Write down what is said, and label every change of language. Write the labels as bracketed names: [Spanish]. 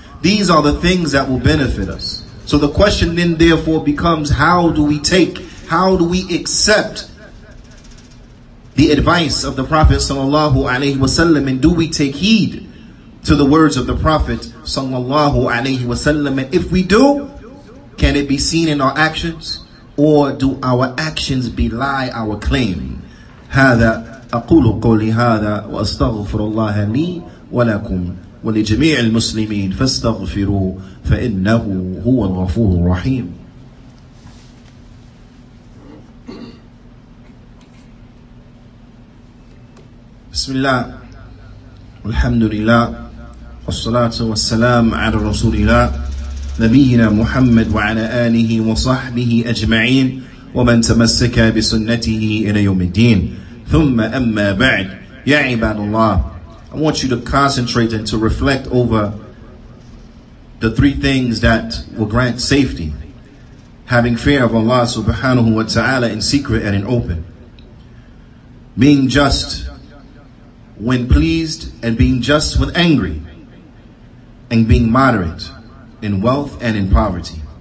[English] These are the things that will benefit us. So the question then therefore becomes, how do we take, how do we accept the advice of the Prophet sallallahu alaihi wasallam, and do we take heed to the words of the Prophet sallallahu alaihi wasallam? And if we do, can it be seen in our actions, or do our actions belie our claim? [Arabic] هذا أقول قولي هذا وأستغفر الله لي ولكم ولجميع المسلمين فاستغفروا فإنه هو الغفور الرحيم. بسم الله والحمد لله والصلاة والسلام على رسول الله نبينا محمد وعلى آله وصحبه أجمعين ومن تمسك بسنته إلى يوم الدين ثم أما بعد يا عباد الله. [English] I want you to concentrate and to reflect over the three things that will grant safety: having fear of Allah subhanahu wa ta'ala in secret and in open, being just when pleased and being just when angry, and being moderate in wealth and in poverty.